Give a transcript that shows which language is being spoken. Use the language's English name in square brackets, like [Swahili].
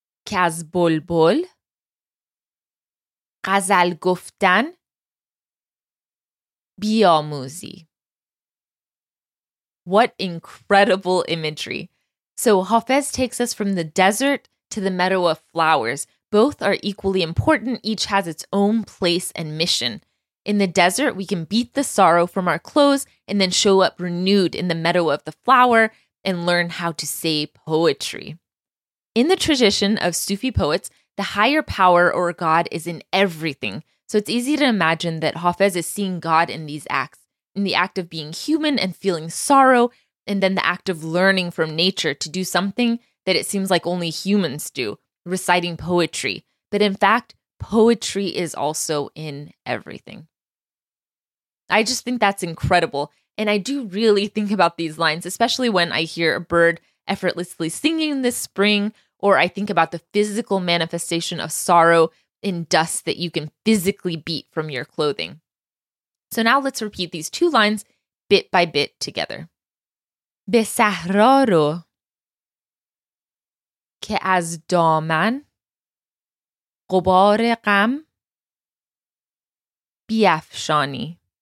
[Persian] کاز بلبل غزل گفتن بیاموزی. [English] What incredible imagery. So Hafez takes us from the desert to the meadow of flowers. Both are equally important. Each has its own place and mission. In the desert, we can beat the sorrow from our clothes and then show up renewed in the meadow of the flower and learn how to say poetry. In the tradition of Sufi poets, the higher power or God is in everything. So it's easy to imagine that Hafez is seeing God in these acts, in the act of being human and feeling sorrow, and then the act of learning from nature to do something that it seems like only humans do, reciting poetry. But in fact, poetry is also in everything. I just think that's incredible. And I do really think about these lines, especially when I hear a bird effortlessly singing this spring, or I think about the physical manifestation of sorrow in dust that you can physically beat from your clothing. So now let's repeat these two lines bit by bit together. [Persian] به صحرا رو که از دامن غبار غم بیفشانی.